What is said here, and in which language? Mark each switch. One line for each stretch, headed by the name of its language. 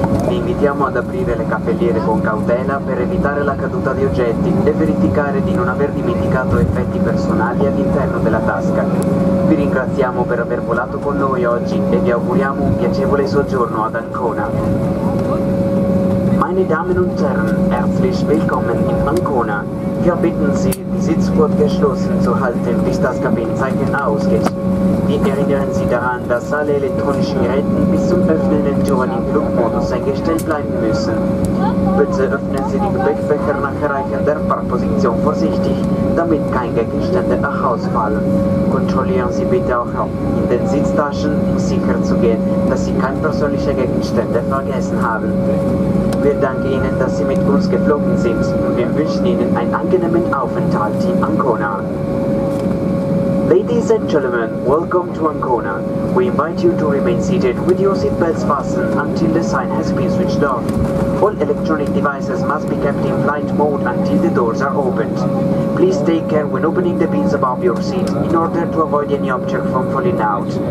Italian: Vi invitiamo ad aprire le cappelliere con cautela per evitare la caduta di oggetti e verificare di non aver dimenticato effetti personali all'interno della tasca. Vi ringraziamo per aver volato con noi oggi e vi auguriamo un piacevole soggiorno ad Ancona.
German: Meine Damen und Herren, herzlich willkommen in Ancona. Wir bitten Sie, die Sitzgurt geschlossen zu halten, bis das Kabinenzeichen ausgeht. Wir erinnern Sie daran, dass alle elektronischen Geräte bis zum Öffnen der Türen im Flugmodus eingestellt bleiben müssen. Bitte öffnen Sie die Gepäckfächer nach Erreichen der Parkposition vorsichtig, damit keine Gegenstände nach Hause fallen. Kontrollieren Sie bitte auch in den Sitztaschen, um sicherzugehen, dass Sie keine persönlichen Gegenstände vergessen haben. Wir danken Ihnen, dass Sie mit uns geflogen sind und wir wünschen Ihnen einen angenehmen Aufenthalt in Ancona.
English: Ladies and gentlemen, welcome to Ancona. We invite you to remain seated with your seatbelts fastened until the sign has been switched off. All electronic devices must be kept in flight mode until the doors are opened. Please take care when opening the bins above your seat in order to avoid any object from falling out.